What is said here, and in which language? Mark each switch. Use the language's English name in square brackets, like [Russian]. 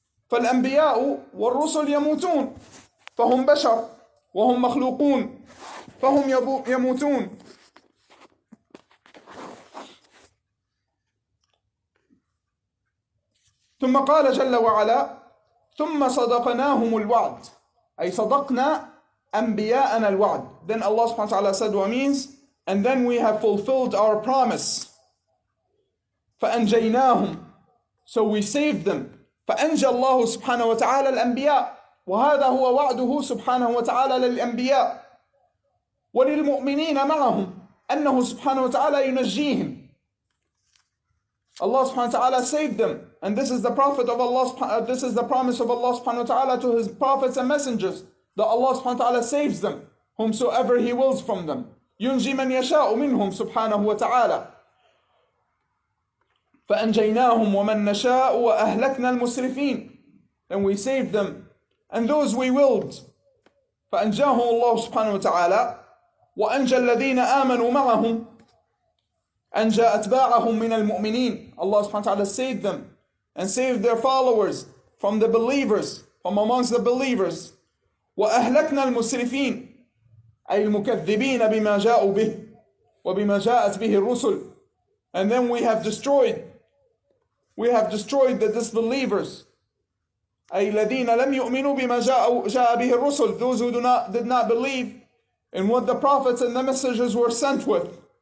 [Arabic] فالأنبياء والرسل يموتون فهم بشر وهم مخلوقون فهم يموتون. ثم قال جل وعلا ثم صدقناهم الوعد, أي صدقنا أنبياءنا الوعد. [English] Then Allah سبحانه وتعالى said what means, and then we have fulfilled our promise. [Arabic] فأنجيناهم, [English] so we saved them. [Arabic] فأنجى الله سبحانه وتعالى الأنبياء, وهذا هو وعده سبحانه وتعالى للأنبياء وللمؤمنين معهم, أنه سبحانه وتعالى ينجيهم. [English] Allah سبحانه وتعالى saved them, and this is the prophet of Allah, this is the promise of Allah سبحانه وتعالى to his prophets and messengers, that Allah سبحانه وتعالى saves them, whomsoever he wills from them. [Arabic] ينجي من يشاء منهم سبحانه وتعالى. فأنجيناهم ومن نشاء وأهلكنا المسرفين. [English] And we saved them and those we willed. [Arabic] فأنجاهم الله سبحانه وتعالى وأنجى الذين آمنوا معهم, أنجى أتباعهم من المؤمنين. [English] Allah سبحانه وتعالى saved them and saved their followers from the believers, from amongst the believers. [Arabic] وأهلكنا المسرفين, أي المكذبين بما جاءوا به وبما جاءت به الرسل. [English] And then we have destroyed the disbelievers. [Arabic] أي الذين لم يؤمنوا بما جاء به الرسل, [English] those who did not believe in what the prophets and the messengers were sent with.